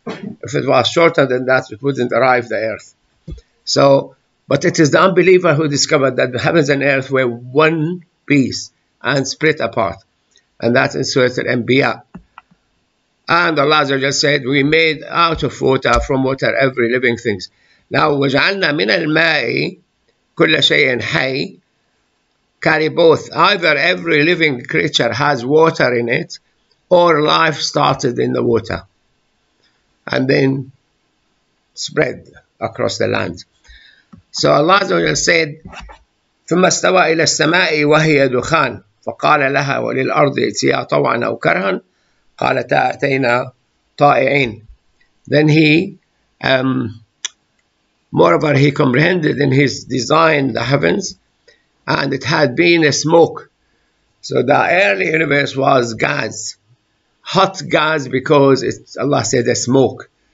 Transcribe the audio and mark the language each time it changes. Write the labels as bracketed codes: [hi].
[en] If it was shorter than that, it wouldn't arrive the earth. So, but it is the unbeliever who discovered that the heavens and earth were one piece and split apart. And that's in Surah Al-Anbiya. And Allah just said, we made out of water, from water, every living things. [ar] Now, وَجْعَلْنَا مِنَ الْمَاءِ كُلَّ شَيْءٍ حَيٍّ. [en] Carry both. Either every living creature has water in it, or life started in the water and then spread across the land. So Allah said, [ar] ثم استوى إلى السماء وهي دخان فقال لها وللأرض إتيا طوعا أو كرها قالتا أتينا طائعين. [en] Then he, moreover, he comprehended in his design the heavens, and it had been a smoke. So the early universe was gas. Hot gas, because it's, Allah said, a smoke.